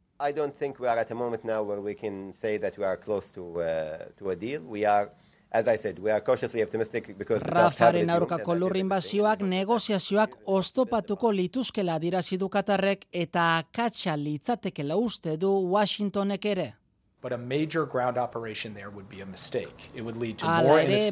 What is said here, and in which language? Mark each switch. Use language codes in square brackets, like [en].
[en] I don't think we are at a moment now where we can say that we are close to a deal. We are, as I said, we are cautiously optimistic because [eu] Rafaren aurkako lur inbazioak negoziazioak oztopatuko lituzkela adierazi du Katarrek eta akatsa litzatekeela uste du Washingtonek ere. [en] But a major ground operation there would be a mistake. It would lead to more innocent civilians.